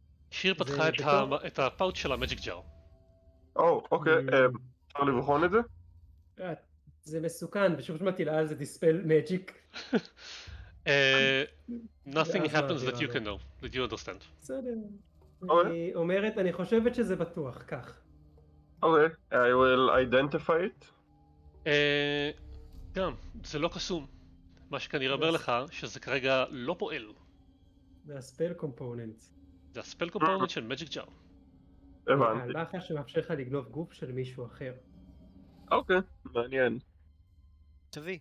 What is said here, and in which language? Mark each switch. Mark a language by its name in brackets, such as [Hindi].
[Hebrew] שיר פתחה את, את הפאוץ' של המג'יק ג'אר. אוקיי, אפשר לבחון את זה? זה מסוכן, ושוב שמעתי לה על זה דיספל מג'יק. [English] Nothing happens that you can know, that you understand. [Hebrew] בסדר. אני אומרת, אני חושבת שזה בטוח, כך. [English] אוקיי, I will identify it. [Hebrew] גם, זה לא קסום. מה שכאן ירבר לך, שזה כרגע לא פועל. זה הספל קומפוננט. זה הספל קומפוננט של מג'יק ג'אר. הבנתי. הלחש שמאפשר לך לגנוב גוף של מישהו אחר. אוקיי, מעניין. תביא.